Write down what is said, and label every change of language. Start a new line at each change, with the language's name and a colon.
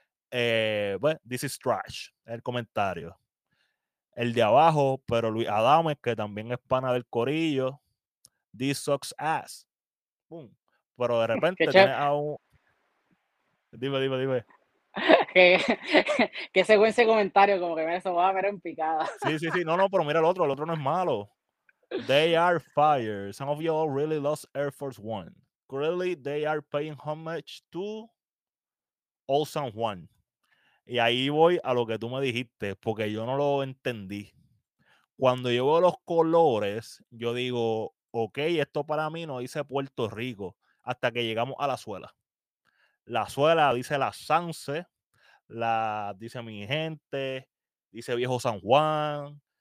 English: This is trash,
Spanish: el comentario. El de abajo, pero Luis Adames, que también es pana del corillo,
English: this sucks ass. Boom.
Spanish: Pero de repente tiene a un... Dime. Que según ese comentario, como que me eso va a ver en picada. Sí. No, pero mira el otro no es malo.
English: They are fire. Some of y'all really lost Air Force One. Clearly, they are paying homage to Old San Juan.
Spanish: Y ahí voy a lo que tú me dijiste, porque yo no lo entendí. Cuando yo veo los colores, yo digo, ok, esto para mí no dice Puerto Rico, hasta que llegamos a la suela. La suela dice la Sanse, la dice mi gente, dice viejo San Juan.